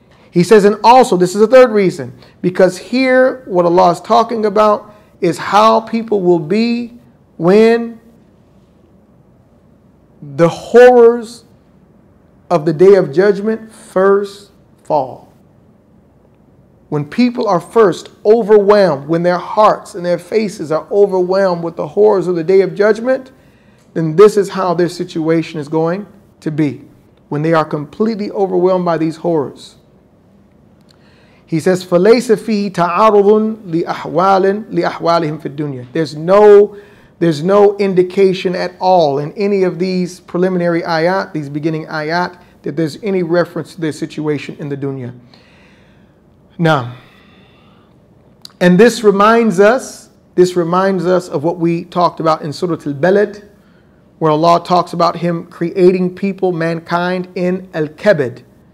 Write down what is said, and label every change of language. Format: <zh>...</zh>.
<en>He says, and also, this is a third reason, because here what Allah is talking about is how people will be when the horrors of the day of judgment first fall. When people are first overwhelmed, when their hearts and their faces are overwhelmed with the horrors of the day of judgment, then this is how their situation is going to be. When they are completely overwhelmed by these horrors. He says,</en> <ar>فَلَيْسَ فِيهِ تَعَارُضٌ لِأَحْوَالٍ لِأَحْوَالِهِمْ فِي الدُّنْيَا.</ar> <en>There's no indication at all in any of these preliminary ayat, these beginning ayat, that there's any reference to their situation in the dunya. Now, and this reminds us of what we talked about in Surah Al-Balad, where Allah talks about Him creating people, mankind, in Al-Kabad.</en>